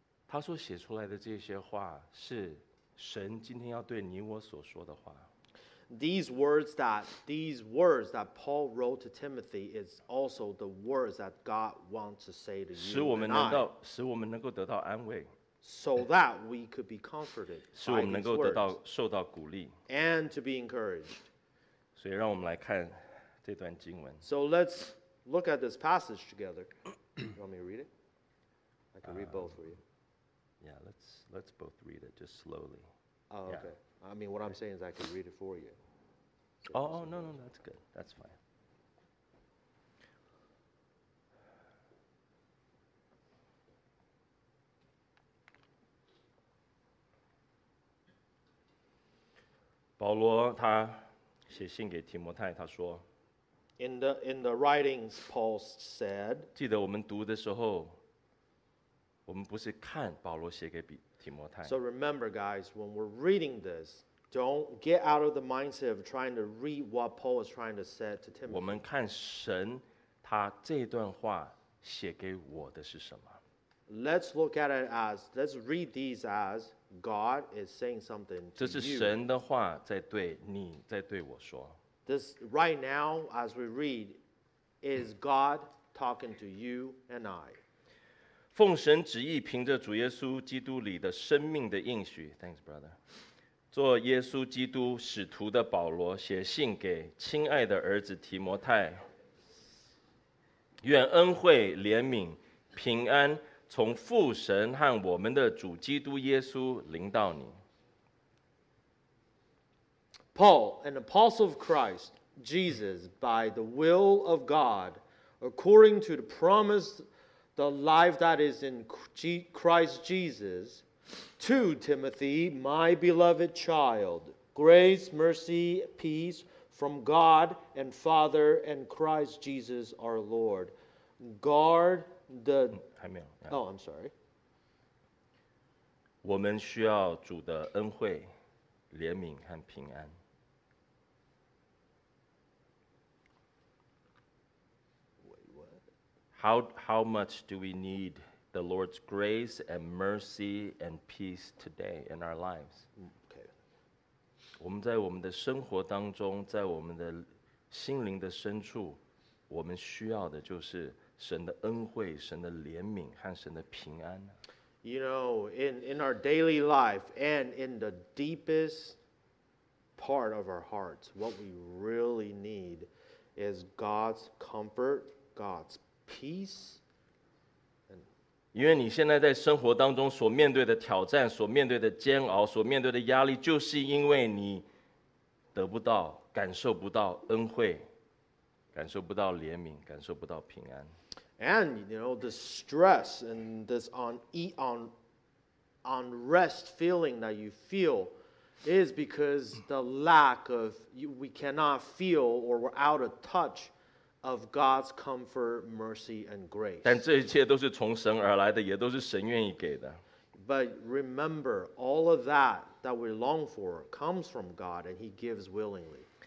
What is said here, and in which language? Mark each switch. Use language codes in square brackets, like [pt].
[zh] 他所写出来的这些话是神今天要对你我所说的话。 [en] These words that Paul wrote to Timothy is also the words that God wants to say to you. [zh] 使我们能够使我们能够得到安慰 [en] So that we could be comforted. [zh] 使我们能够得到受到鼓励 [en] And to be encouraged. [zh] 所以让我们来看这段经文 [en] So let's look at this passage together. You want me to read it? I can read both for you. Yeah, let's both read it just slowly. Oh, okay. Yeah. I mean, what I'm saying is I could read it for you. Oh, no, that's good. That's fine. [zh] Paul, he 写信给提摩太，他说 [en] In the writings, Paul said, [zh] 记得我们读的时候，我们不是看保罗写给提摩太。 [en] So remember, guys, when we're reading this,Don't get out of the mindset of trying to read what Paul is trying to say to Timothy. [zh] 我们看神他这段话写给我的是什么。 [en] Let's look at it as, let's read these as God is saying something to you. [zh] 这是神的话在对你在对我说。 [en] This right now as we read is God talking to you and I. [zh] 奉神旨意凭着主耶稣基督里的生命的应许。 [en] Thanks, brother. [zh] 做耶稣基督使徒的保罗写信给亲爱的儿子提摩太愿恩惠怜悯平安从父神和我们的主基督耶稣临到你 [en] Paul, an apostle of Christ Jesus by the will of God according to the promise the life that is in Christ JesusTo Timothy, my beloved child, grace, mercy, peace from God and Father and Christ Jesus our Lord. Guard the... [zh] 还没有、 [en] yeah. Oh, I'm sorry. [zh] 我们需要主的恩惠、怜悯和平安。 [en] Wait, what? How much do we need... The Lord's grace and mercy and peace today in our lives. Okay. [zh] 我们在我们的生活当中，在我们的心灵的深处，我们需要的就是神的恩惠、神的怜悯和神的平安。 [en] you know, in our daily life and in the deepest part of our hearts, what we really need is God's comfort, God's peace. [zh] 因为你现在在生活当中所面对的挑战，所面对的煎熬，所面对的压力，就是因为你得不到、感受不到恩惠，感受不到怜悯，感受不到平安。 [en] And you know the stress and this unrest feeling that you feel is because the lack of we cannot feel or we're out of touch of God's comfort, mercy, and grace. [zh] 但这一切都是从神而来的，也都是神愿意给的。But [en] remember, all of that we long for comes from God, and He gives willingly.